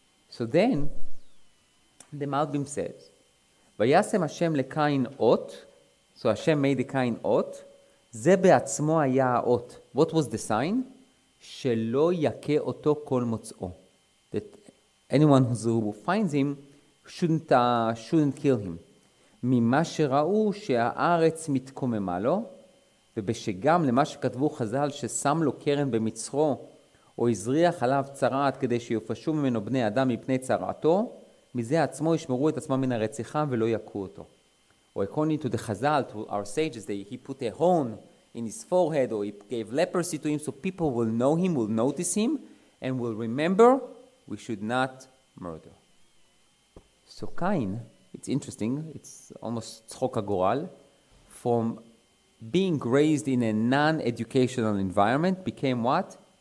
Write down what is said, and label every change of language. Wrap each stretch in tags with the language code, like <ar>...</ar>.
<en>So then, the Malbim says,</en> <he>Vayasem Hashem lekain ot,</he> <en>so Hashem made the kain ot,</en> <he>זה בעצמו היה האות.</he> <en>What was the sign?</en> <he>שלא יכה אותו כל מוצאו.</he> <en>That anyone who finds him shouldn't kill him.</en> <he>ממה שראו שהארץ מתקוממה לו, ובשגם למה שכתבו חז"ל ששם לו קרן במצרו, או הזריח עליו צרעת כדי שיופשו ממנו בני אדם מפני צרעתו, מזה עצמו ישמרו את עצמם מן הרציחה ולא יכו אותו.</he> <en>Or according to the Chazal, to our sages, he put a horn in his forehead, or he gave leprosy to him, so people will know him, will notice him, and will remember we should not murder. So Cain, it's interesting, it's almost tzchok agoral, from being raised in a non-educational environment, became what?</en>